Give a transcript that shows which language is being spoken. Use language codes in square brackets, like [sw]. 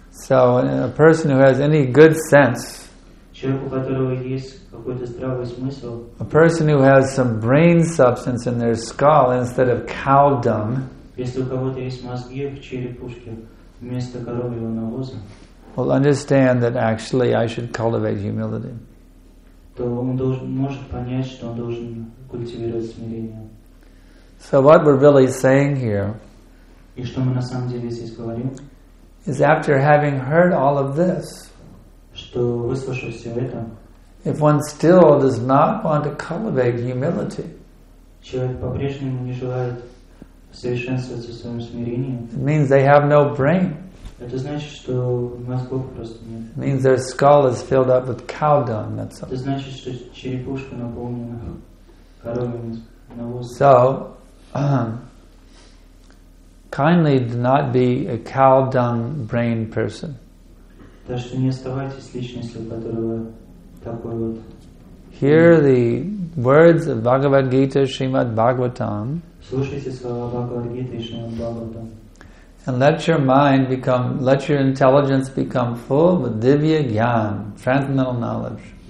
[en] So, a person who has any good sense, [ru] человек, у которого есть какой-то здравый смысл, [en] a person who has some brain substance in their skull instead of cow dung, [ru] если у кого-то есть мозги в черепушке вместо коровьего навоза, [en] will understand that actually I should cultivate humility. [ru] То он может понять, что он должен культивировать смирение. [en] So what we're really saying here, [ru] и что мы на самом деле здесь говорим, [en] is after having heard all of this, [ru] что выслушав все это, [en] if one still does not want to cultivate humility, [ru] человек по-прежнему не желает совершенствоваться в своем смирении, [en] it means they have no brain. [ru] Это значит, что мозгов просто нет. [en] It means their skull is filled up with cow dung, that's all. [ru] Это значит, что черепушка наполнена коровьим навозом. [en] So, kindly do not be a cow dung brain person. [ru] Так что не оставайтесь личностью, которая такой вот. [en] Hear the words of Bhagavad Gita, Srimad Bhagavatam. [ru] Слушайте слова Бхагавад Гиты и Шримад Бхагаватам. [en] And let your intelligence become full with divya jnana, transcendental knowledge.